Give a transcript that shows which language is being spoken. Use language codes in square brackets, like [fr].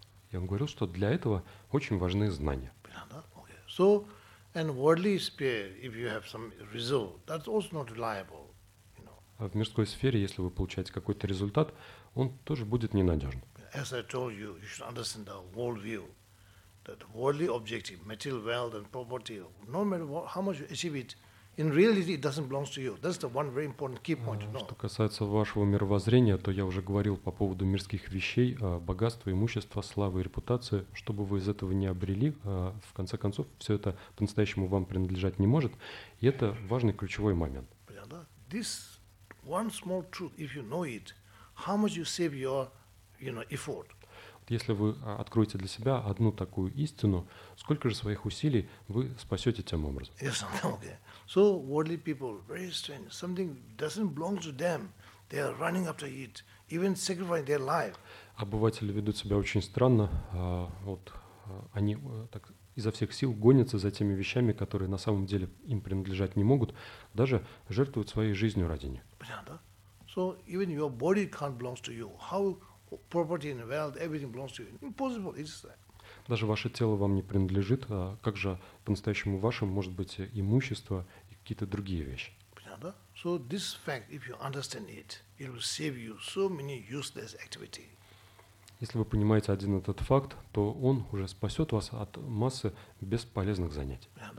[ru] И он говорил, что для этого очень важны знания. [en] Okay. So, and worldly sphere, if you have some result, that's also not reliable, you know. [ru] А в мирской сфере, если вы получаете какой-то результат, он тоже будет ненадежен. [en] As I told you, you should understand the world view, that worldly objective, material wealth and property, no matter what, how much you achieve it, in reality, it doesn't belong to you. That's the one very important key point. No. [ru] Что касается вашего мировоззрения, то я уже говорил по поводу мирских вещей, богатства, имущества, славы и репутации. Что бы вы из этого ни обрели, в конце концов, все это по-настоящему вам принадлежать не может. И это важный ключевой момент. [en] This one small truth, if you know it, how much you save your, you know, effort. [ru] если вы откроете для себя одну такую истину, сколько же своих усилий вы спасете тем образом? [en] Yes, okay. So worldly people, very strange. Something doesn't belong to them. They are running after it, even sacrificing their life. [ru] Обыватели ведут себя очень странно. Они изо всех сил гонятся за теми вещами, которые на самом деле им принадлежать не могут, даже жертвуют своей жизнью ради них. Понятно? [en] So even your body can't belong to you. How property and wealth, everything belongs to you. Impossible, it's like. [ru] Даже ваше тело вам не принадлежит, а как же по-настоящему вашим может быть имущество и какие-то другие вещи? Понятно? [en] So this fact, if you understand it, it will save you so many useless activities. [ru] Если вы понимаете один этот факт, то он уже спасет вас от массы бесполезных занятий.